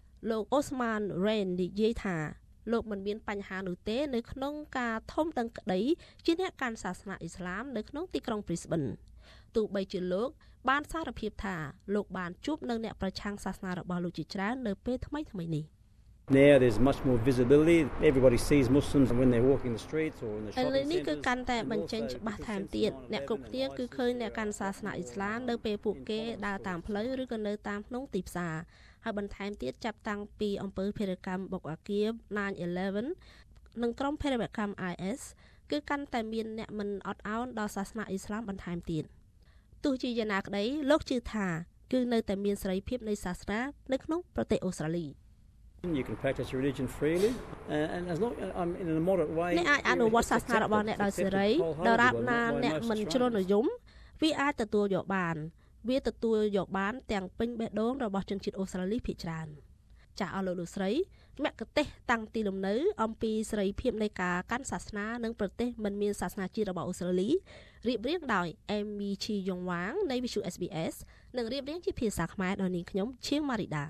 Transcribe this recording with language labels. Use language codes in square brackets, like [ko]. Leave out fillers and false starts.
[km] លោកអូស្មានរ៉េននិយាយថាលោកមិនមានបញ្ហានោះទេនៅក្នុងការធំដឹងក្តីជាអ្នកកាន់សាសនាអ៊ីស្លាមនៅក្នុងទីក្រុងព្រីស្បិនទោះបីជាលោកបានសារភាពថាលោកបានជួបនៅអ្នកប្រឆាំងសាសនារបស់លោកជាច្រើននៅពេលថ្មីៗនេះ [en] Now there's much more visibility everybody sees Muslims when they're walking the streets or in the shopping centers [km] នេះគឺកាន់តែបញ្ចេញច្បាស់ថែមទៀតអ្នកគ្រប់គ្នាគឺឃើញអ្នកកាន់សាសនាអ៊ីស្លាមនៅពេលពួកគេដើរតាមផ្លូវឬក៏នៅតាមក្នុងទីផ្សារហើយបន្ថែមទៀតចាប់តាំងពីអំពើភេរកម្មបុកអាគៀប 9/11 និងក្រុមភេរកម្ម IS គឺកាន់តែមានអ្នកមិនអត់ឱនដល់សាសនាអ៊ីស្លាមបន្ថែមទៀតទោះជាយ៉ាងណាក្តីលោកជឿថាគឺនៅតែមានសេរីភាពនៃសាសនានៅក្នុងប្រទេសអូស្ត្រាលី [en] you can practice your religion freely and as long I'm in a moderate way [km] អ្នកអាចអនុវត្តសាសនារបស់អ្នកដោយសេរីដរាបណាអ្នកមិនជ្រុលនិយមវាអាចទទួលយកបានវាទទួលយកបានទាំងពេញបេះដូងរបស់ជនជាតិអូស្ត្រាលីភាគច្រើនចាស់អស់លោកលោកស្រីមគ្គទេសតាំងទីលំនៅអំពីសេរីភាពនៃការកាន់សាសនានិងប្រទេសមិនមានសាសនាជាតិរបស់អូស្ត្រាលីរៀបរៀងដោយ MEG យងវ៉ាងនៃ VSBS និងរៀបរៀងជាភាសាខ្មែរដោយនាងខ្ញុំឈៀងម៉ារីដា